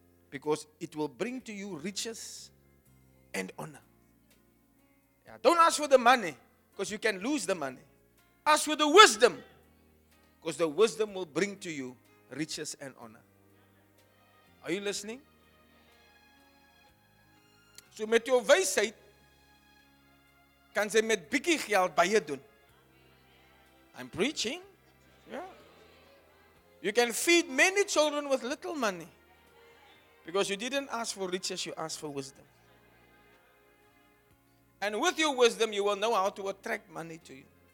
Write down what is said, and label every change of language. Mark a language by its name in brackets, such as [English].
[English] Because it will bring to you riches and honor. Yeah, don't ask for the money, because you can lose the money. Ask for the wisdom, because the wisdom will bring to you riches and honor. Are you listening? [Afrikaans] So met jou wysheid kan jy met bietjie geld baie doen. [English] I'm preaching. Yeah. You can feed many children with little money. Because you didn't ask for riches, you asked for wisdom. And with your wisdom, you will know how to attract money to you.